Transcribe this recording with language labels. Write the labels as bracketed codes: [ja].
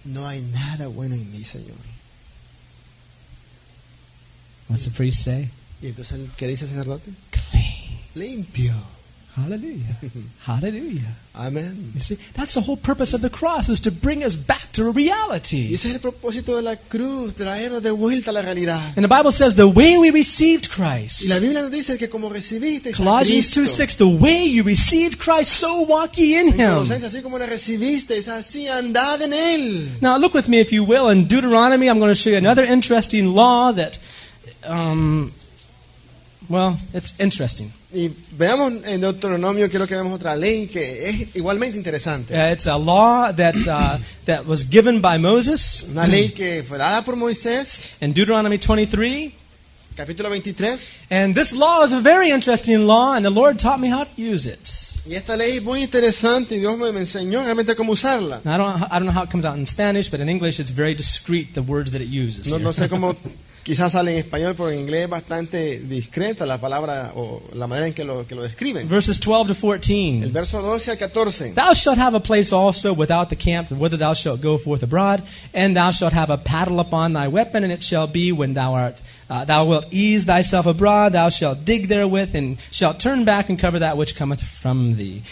[es] No hay nada bueno en mí, Señor. [en] What's the priest say? [es] ¿Y entonces, ¿qué dice el sacerdote? [en] Clean. [es] Limpio. [en] Hallelujah. Hallelujah. Amen. You see, that's the whole purpose of the cross, is to bring us back to reality. [es] Y ese es el propósito de la cruz, traernos de vuelta a la realidad. [en] And the Bible says the way we received Christ. [es] Y la Biblia nos dice que como recibiste a [en] Colossians 2:6, the way you received Christ, so walk ye in him. [es] Así como lo recibiste, así andad en él. [en] Now look with me if you will in Deuteronomy. I'm going to show you another interesting law that it's interesting. [es] Y veamos en Deuteronomio, quiero que veamos otra ley que es igualmente interesante. [en] It's a law that that was given by Moses. [es] Una ley que fue dada por Moisés. [en] In Deuteronomy 23, [es] capítulo 23. [en] And this law is a very interesting law, and the Lord taught me how to use it. [es] Y esta ley es muy interesante y Dios me enseñó realmente cómo usarla. [en] I don't know how it comes out in Spanish, but in English it's very discreet the words that it uses. [es] No sé cómo. Quizás sale en español, pero en inglés es bastante discreta la palabra o la manera en que lo describen. [en] Verses 12 to 14. [es] El verso 12 al 14. [en] Thou shalt have a place also without the camp, whither thou shalt go forth abroad, and thou shalt have a paddle upon thy weapon, and it shall be when thou wilt ease thyself abroad, thou shalt dig therewith, and shalt turn back and cover that which cometh from thee.